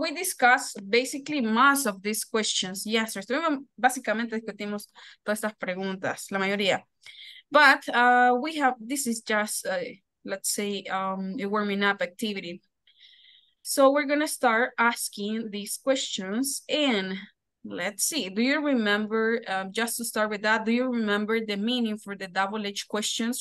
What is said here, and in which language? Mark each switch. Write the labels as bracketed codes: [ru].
[en] we discussed basically most of these questions yesterday. [es] So básicamente discutimos todas estas preguntas, la mayoría. [en] But we have, this is just, let's say, a warming up activity. So we're going to start asking these questions. And let's see, do you remember, just to start with that, do you remember the meaning for the double H questions?